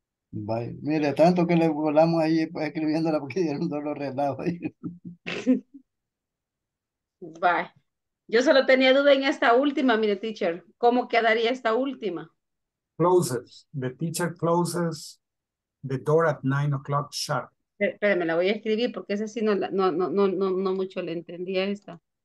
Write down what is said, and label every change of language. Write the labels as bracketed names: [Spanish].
[Spanish] Vaya, mire, tanto que le volamos ahí pues, escribiéndola porque dieron dolor relajo ahí. Vaya. Yo solo tenía duda en esta última, mire, teacher. ¿Cómo quedaría esta última? [English] Closes. The teacher closes the door at 9 o'clock sharp. [Spanish] Espérame, la voy a escribir porque esa sí no mucho le entendía esta.